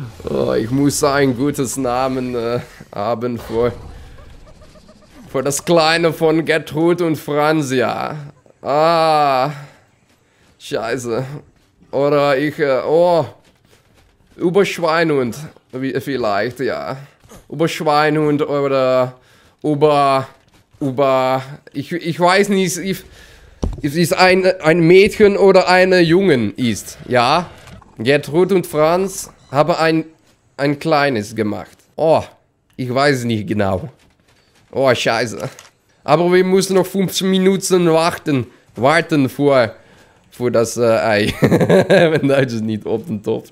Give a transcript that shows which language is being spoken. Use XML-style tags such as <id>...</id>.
<nl>Oh, ik moest een goede naam hebben voor... Voor dat kleine van Gertrude en Frans, ja.</nl> <de>Ah... Scheiße. Oder ich, Uberschweinhund, vielleicht, ja. Uberschweinhund oder ich weiß nicht, if es ein Mädchen oder ein Jungen ist, ja. Gertrude und Franz haben ein kleines gemacht. Oh, ich weiß nicht genau. Oh, scheiße. Aber wir müssen noch 15 Minuten warten vor...</de> <nl>Voor dat ei. Mijn Duits is niet op en top.</nl>